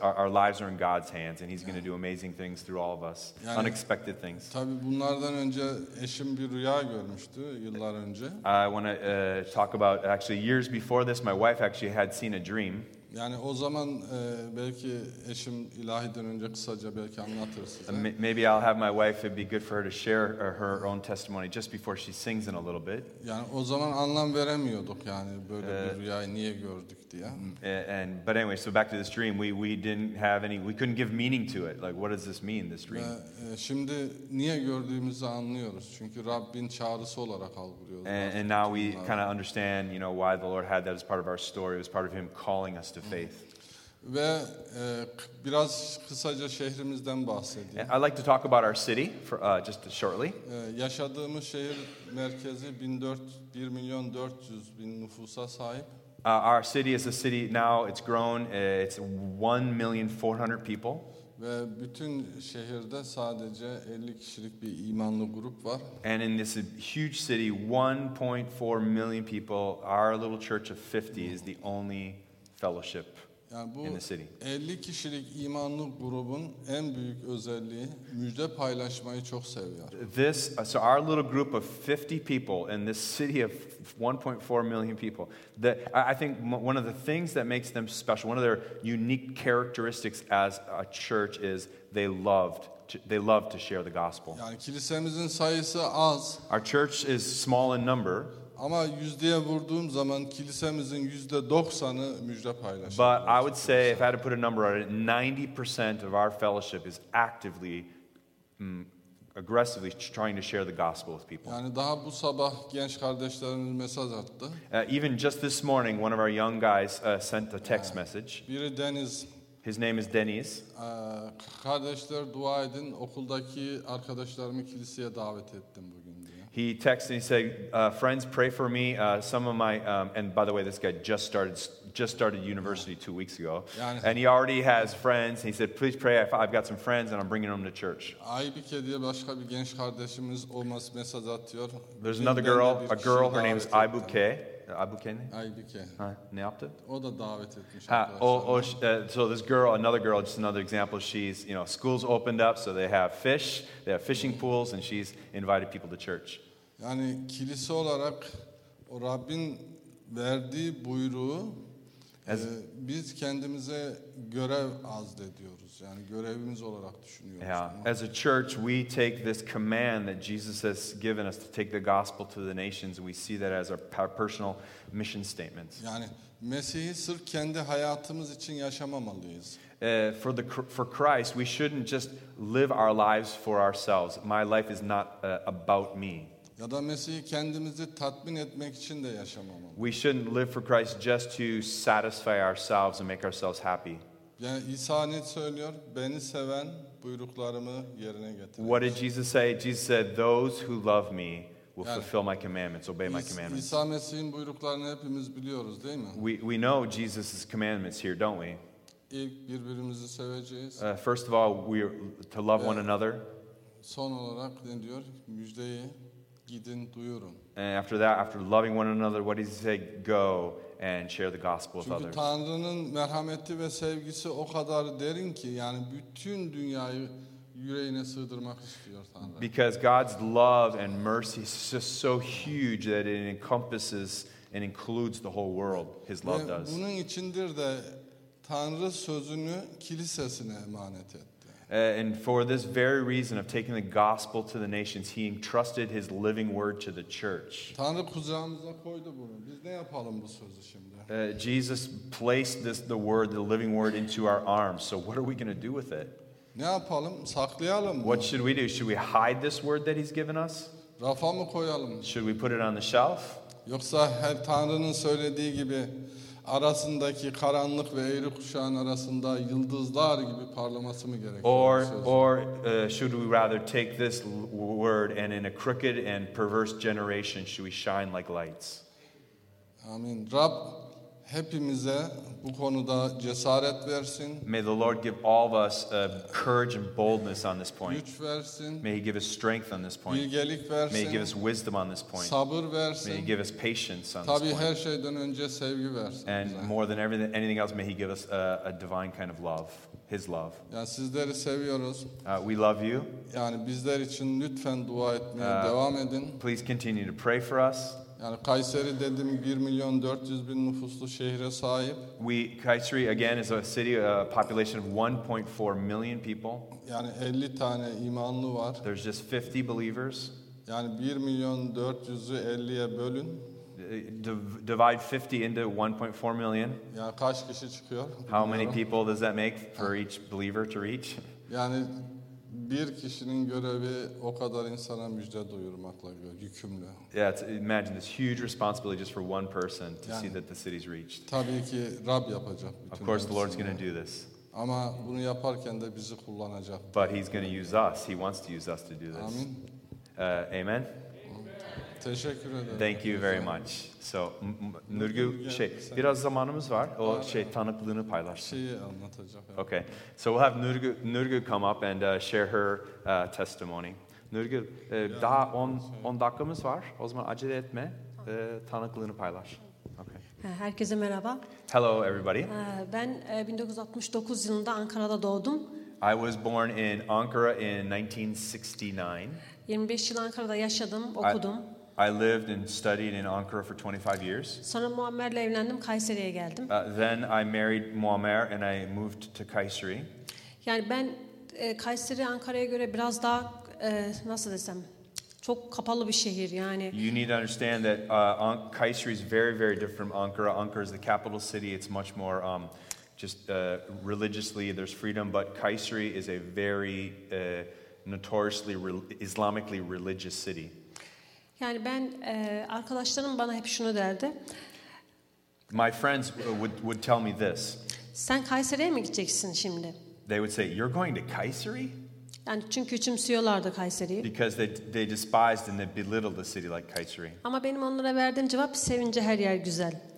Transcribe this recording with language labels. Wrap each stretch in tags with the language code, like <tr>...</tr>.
<en>Our lives are in God's hands, and He's going to do amazing things through all of us, yani, unexpected things.</en> <tr>Tabii bunlardan önce eşim bir rüya görmüştü yıllar önce.</tr> <en>I want to talk about actually years before this, my wife actually had seen a dream.</en> <tr>Yani o zaman belki eşim ilahiden önce kısaca belki anlatır size.</tr> <en>Maybe I'll have my wife, it'd be good for her to share her own testimony just before she sings in a little bit.</en> <tr>Yani o zaman anlam veremiyorduk yani böyle bir rüyayı niye gördük diye.</tr> <en>But anyway, so back to this dream, we couldn't give meaning to it. Like, what does this mean, this dream?</en> <tr>Şimdi niye gördüğümüzü anlıyoruz. Çünkü Rabbin çağrısı olarak algılıyoruz.</tr> <en>And now we kind of understand, you know, why the Lord had that as part of our story. It was part of Him calling us to faith.</en> <tr>Ve biraz kısaca şehrimizden bahsedeyim.</tr> <en>And I'd like to talk about our city for just shortly.</en> <tr>Yaşadığımız şehir merkezi 1.400.000 nüfusa sahip.</tr> <en>Our city is a city now, it's grown, it's 1,400,000 people.</en> <tr>Ve bütün şehirde sadece 50 kişilik bir imanlı grup var.</tr> <en>And in this huge city, 1.4 million people, our little church of 50 is the only fellowship</en> <tr>yani bu</tr> <en>in the city.</en> <tr>50 kişilik imanlı grubun en büyük özelliği müjde paylaşmayı çok seviyor.</tr> <en>This, so our little group of 50 people in this city of 1.4 million people, that I think one of the things that makes them special, one of their unique characteristics as a church is they love to share the gospel.</en> <tr>Yani kilisemizin sayısı az.</tr> <en>Our church is small in number.</en> <tr>Ama yüzdeye vurduğum zaman kilisemizin %90'ı müjde paylaşıyor.</tr> <en>But I would say, if I had to put a number on it, 90% of our fellowship is actively, aggressively trying to share the gospel with people.</en> <tr>Yani daha bu sabah genç kardeşlerimiz mesaj attı.</tr> <en>Even just this morning, one of our young guys sent a text message.</en> <tr>Biri Deniz.</tr> <en>His name is Deniz.</en> <tr>Kardeşler dua edin, okuldaki arkadaşlarımı kiliseye davet ettim bugün.</tr> <en>He texted and he said, friends, pray for me. Some of my, and by the way, this guy just started university 2 weeks ago.</en> <tr>Yani,</tr> <en>and he already has friends. He said, please pray. I've got some friends and I'm bringing them to church.</en> <tr>Ayipke diye başka bir genç kardeşimiz olmaz mesaj atıyor.</tr> <en>There's another girl, a girl, her name is Ayipke. Ayipke? Ayipke.</en> <tr>Ne yaptı? O da davet etmiş.</tr> <en>So this girl, another girl, just another example, she's, you know, school's opened up, so they have fish, they have fishing pools, and she's invited people to church.</en> <tr>Yani kilise olarak o Rabbin verdiği buyruğu biz kendimize görev azlediyoruz. Yani görevimiz olarak düşünüyoruz.</tr> <en>Yeah. As a church, we take this command that Jesus has given us to take the gospel to the nations. We see that as our personal mission statement.</en> <tr>Yani Mesih'i sırf kendi hayatımız için yaşamamalıyız.</tr> <en>For Christ, we shouldn't just live our lives for ourselves. My life is not about me.</en> <tr>Ya da Mesih'i kendimizi tatmin etmek için de yaşamamalıyız.</tr> <en>We shouldn't live for Christ just to satisfy ourselves and make ourselves happy.</en> <tr>Yani İsa ne söylüyor? Beni seven buyruklarımı yerine getirir.</tr> <en>What did Jesus say? Jesus said, those who love me will fulfill my commandments, obey my commandments.</en> <tr>İsa Mesih'in buyruklarını hepimiz biliyoruz, değil mi?</tr> <en>We know Jesus' commandments here, don't we?</en> <tr>İlk birbirimizi seveceğiz.</tr> <en>First of all, we are to love one another.</en> <tr>Son olarak ne diyor? Müjdeyi. Gidin, duyurun.</tr> <en>And after that, after loving one another, what does he say? Go and share the gospel</en> <tr>Çünkü</tr> <en>with others.</en> <tr>Tanrı'nın merhameti ve sevgisi o kadar derin ki, yani bütün dünyayı yüreğine sığdırmak istiyor Tanrı.</tr> <en>Because God's love and mercy is just so huge that it encompasses and includes the whole world. His love does.</en> <tr>Bunun içindir de Tanrı sözünü kilisesine emanet etti.</tr> <en>And for this very reason of taking the gospel to the nations, he entrusted his living word to the church.</en> <tr>Tanrı kucağımıza koydu bunu. Biz ne yapalım bu sözü şimdi?</tr> <en>Jesus placed this, the word, the living word, into our arms. So what are we going to do with it?</en> <tr>Ne yapalım? Saklayalım mı?</tr> <en>What should we do? Should we hide this word that he's given us?</en> <tr>Rafa mı koyalım?</tr> <en>Should we put it on the shelf?</en> <tr>Yoksa her Tanrı'nın söylediği gibi arasındaki karanlık ve eğri kuşağın arasında yıldızlar gibi parlaması mı gerekiyor?</tr> <en>Or should we rather take this word and in a crooked and perverse generation should we shine like lights?</en> <tr>Amin. Rab hepimize bu konuda cesaret versin.</tr> <en>May the Lord give all of us courage and boldness on this point.</en> <tr>Güç versin.</tr> <en>May he give us strength on this point.</en> <tr>Bilgelik versin.</tr> <en>May he give us wisdom on this point.</en> <tr>Sabır versin.</tr> <en>May he give us patience on</en> <tr>Tabii</tr> <en>this point.</en> <tr>Her şeyden önce sevgi versin.</tr> <en>And</en> <tr>bize.</tr> <en>More than everything, anything else, may he give us a divine kind of love, his love.</en> <tr>Yani sizleri seviyoruz.</tr> <en>We love you.</en> <tr>Yani bizler için lütfen dua etmeye devam edin.</tr> <en>Please continue to pray for us.</en> <tr>Yani Kayseri dediğim 1 milyon 400 bin nüfuslu şehre sahip.</tr> <en>Kayseri again is a city, a population of 1.4 million people.</en> <tr>Yani 50 tane imanlı var.</tr> <en>There's just 50 believers.</en> <tr>Yani 1 milyon 400'ü 50'ye bölün.</tr> <en>Divide 50 into 1.4 million.</en> <tr>Yani kaç kişi çıkıyor?</tr> <en>How many people does that make for each believer to reach?</en> <tr>Yani bir kişinin görevi o kadar insana müjde duyurmakla yükümlü.</tr> <en>Yeah, imagine this huge responsibility just for one person to yani, see that the city's reached.</en> <tr>Tabii ki Rab yapacak.</tr> <en>Of course, the Lord's going to do this.</en> <tr>Ama bunu yaparken de bizi kullanacak.</tr> <en>But he's going to use us. He wants to use us to do this.</en> <tr>Amin.</tr> <en>Amen.</en> <tr>Teşekkür ederim.</tr> <en>Thank you very much. So, Nurgul,</en> <tr>biraz zamanımız var. O tanıklığını paylaşsın. Şeyi anlatacak. Yani. Okay.</tr> <en>So we'll have Nurgul come up and share her testimony.</en> <tr>Nurgul, daha 10 dakikamız var. O zaman acele etme. Tanıklığını paylaş. Okay. Herkese merhaba.</tr> <en>Hello everybody.</en> <tr>Ben 1969 yılında Ankara'da doğdum.</tr> <en>I was born in Ankara in 1969.</en> <tr>25 yıl Ankara'da yaşadım, okudum.</tr> <en>I lived and studied in Ankara for 25 years.</en> <tr>Sonra Muammer'le evlendim, Kayseri'ye geldim.</tr> <en>Then I married Muammer and I moved to Kayseri.</en> <tr>Yani ben Kayseri Ankara'ya göre biraz daha nasıl desem çok kapalı bir şehir yani.</tr> <en>You need to understand that Kayseri is very very different from Ankara. Ankara is the capital city. It's much more religiously there's freedom, but Kayseri is a very notoriously Islamically religious city.</en> <tr>Yani ben arkadaşlarım bana hep şunu derdi.</tr> <en>My friends would tell me this.</en> <tr>Sen Kayseri'ye mi gideceksin şimdi?</tr> <en>They would say, "You're going to Kayseri?"</en> <tr>Yani çünkü küçümsüyorlardı Kayseri'yi.</tr> <en>Because they despised and they belittled a city like Kayseri.</en> <tr>Ama benim onlara verdiğim cevap sevince her yer güzel.</tr>